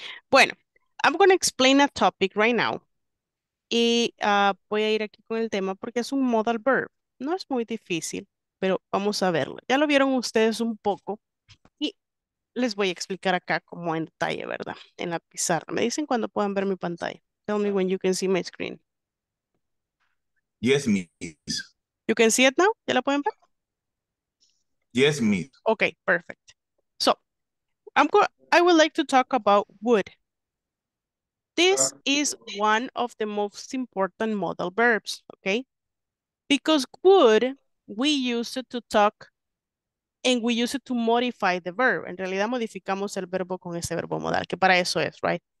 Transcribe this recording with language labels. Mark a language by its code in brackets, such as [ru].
[en] Bueno, I'm going to explain a topic right now. [es] Y voy a ir aquí con el tema porque es un modal verb. No es muy difícil, pero vamos a verlo. Ya lo vieron ustedes un poco y les voy a explicar acá como en detalle, ¿verdad? En la pizarra. Me dicen cuando puedan ver mi pantalla. [en] Tell me when you can see my screen. Yes, miss. You can see it now? [es] ¿Ya la pueden ver? [en] Yes, miss. Okay, perfect. So, I would like to talk about would. This is one of the most important modal verbs, okay? Because would, we use it to talk, and we use it to modify the verb. [es] En realidad, modificamos el verbo con ese verbo modal, que para eso es, right?